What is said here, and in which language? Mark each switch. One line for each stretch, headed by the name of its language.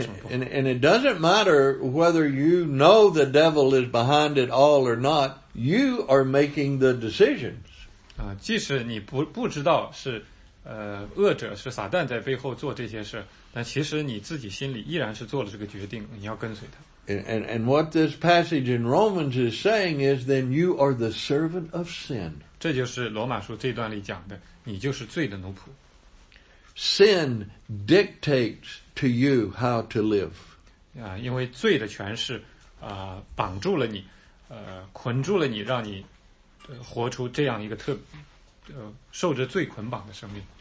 English: And it doesn't matter whether you know the devil is behind it all or not, you are making the decisions.
Chinese: 即使你不知道是撒旦在背后做这些事, 但其实你自己心里依然是做了这个决定, 你要跟随他。
English: And what this passage in Romans is saying is, then you are the servant of sin.
Chinese: 这就是罗马书这段里讲的, 你就是罪的奴仆。
English: Sin dictates to you how to live.
Chinese: 因为罪的权势, 绑住了你, 捆住了你, 让你, 活出这样一个特, 受着罪捆绑的生命。